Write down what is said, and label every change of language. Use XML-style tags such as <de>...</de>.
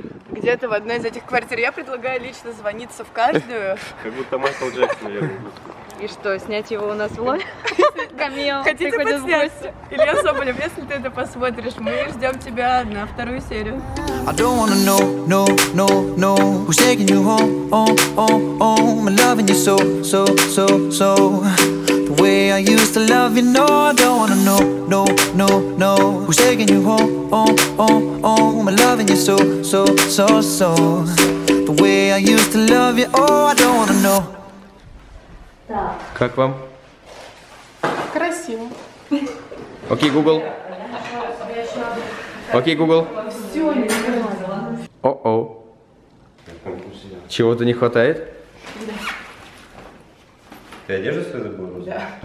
<ru>Где-то в одной из этих квартир. Я предлагаю лично звониться в каждую. Как будто Майкл Джексон, я думаю. И что, снять его у нас вновь? Камео. Хотите подснять? Илья Соболев, если ты это посмотришь, мы ждем тебя на вторую серию.</ru> <en>I don't wanna know, no, no, no. Who's taking you home, oh, oh, oh. I'm loving you so, so, so, so. The way I used to love you, no. I don't wanna know, no, no, no. Who's taking you home, oh, oh, oh. I'm loving you so, so, so, so. The way I used to love you, oh. I don't wanna know.</en> <ru>Как вам? Красиво. Окей, Google. Окей, Google. Все, не нормально. О-о. Чего-то не хватает? Да. Ты одежду свою забыла? Да.</ru>